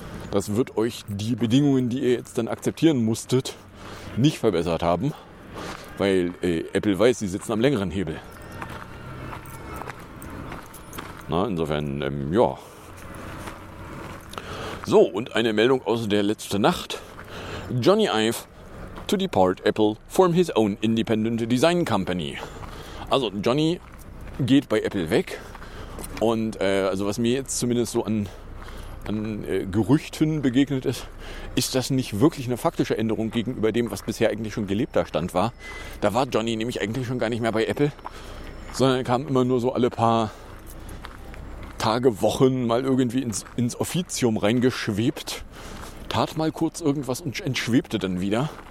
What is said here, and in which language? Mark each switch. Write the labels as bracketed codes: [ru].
[de] Das wird euch die Bedingungen, die ihr jetzt dann akzeptieren musstet, nicht verbessert haben, weil Apple weiß, sie sitzen am längeren Hebel. Na, insofern, ja. So, und eine Meldung aus der letzten Nacht. [en] Johnny Ive to depart Apple, form his own independent design company. [de] Also, Johnny geht bei Apple weg. Und also was mir jetzt zumindest so an Gerüchten begegnet ist, ist das nicht wirklich eine faktische Änderung gegenüber dem, was bisher eigentlich schon gelebter Stand war. Da war Johnny nämlich eigentlich schon gar nicht mehr bei Apple, sondern kam immer nur so alle paar Tage, Wochen mal irgendwie ins Offizium reingeschwebt, tat mal kurz irgendwas und entschwebte dann wieder.